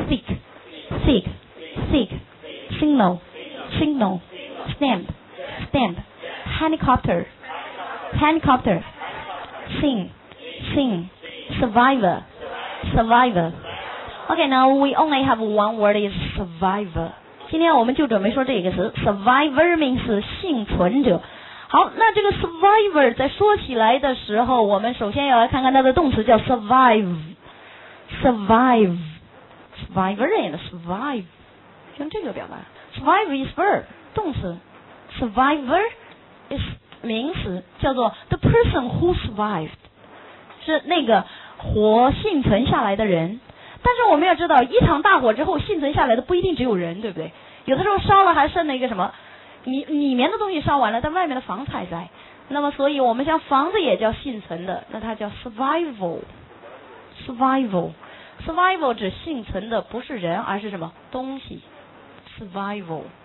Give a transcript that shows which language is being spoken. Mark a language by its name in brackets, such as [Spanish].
[English] Seek. Seek. Seek. Signal. Signal. Stamp. Stamp. Helicopter. Helicopter. Sing. Sing. Survivor. Survivor. Okay, now we only have one word is survivor. [Chinese] 今天我们就准备说这个词 [English] Survivor means [Chinese] 幸存者。好，那这个 survivor 在说起来的时候，我们首先要来看看它的动词叫 survive， survive， [English] survivor and survive， [Chinese] 用这个表达。 [English] Survive is verb [Chinese] 动词， [English] survivor is [Chinese] 名词，叫做 [English] the person who survived， [Chinese] 是那个活幸存下来的人。但是我们要知道，一场大火之后幸存下来的不一定只有人，对不对？有的时候烧了还剩了一个什么？里面的东西烧完了，但外面的房子还在。那么所以我们像房子也叫幸存的，那它叫 survival， survival， survival 指幸存的，不是人，而是什么东西， survival。